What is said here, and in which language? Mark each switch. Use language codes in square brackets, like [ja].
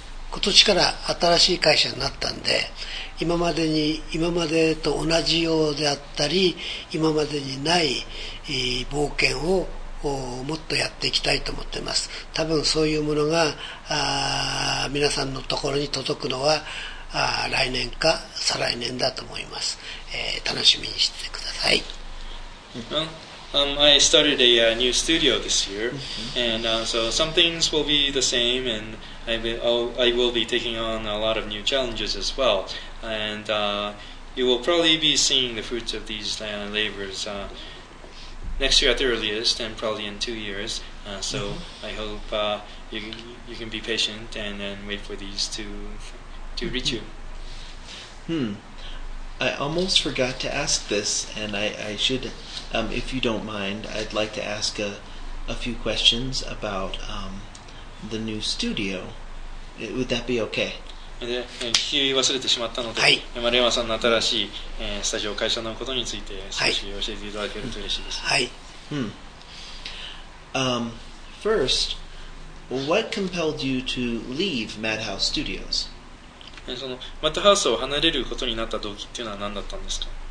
[ja] 今年から新しい会社になったんで、今までと同じようであったり、今までにない冒険をもっとやっていきたいと思っています。多分そういうものが皆さんのところに届くのは来年か再来年だと思います。楽しみにしてください。 [en] I started a new studio this year, and so some things will be the same, and I will be taking on a lot of new challenges as well. And you will probably be seeing the fruits of these labors next year at the earliest, and probably in 2 years. So I hope you can be patient and wait for these to reach you. I almost forgot to ask this, and I should, if you don't mind, I'd like to ask a few questions about the new studio. Would that be okay? [ja] で、聞き忘れてしまったので、はい、丸山さんの新しい、スタジオ会社のことについて少し教えていただけると嬉しいです。はい。 [en] First, what compelled you to leave Madhouse Studios? [ja] そのマッドハウスを離れることになった動機っていうのは何だったんですか？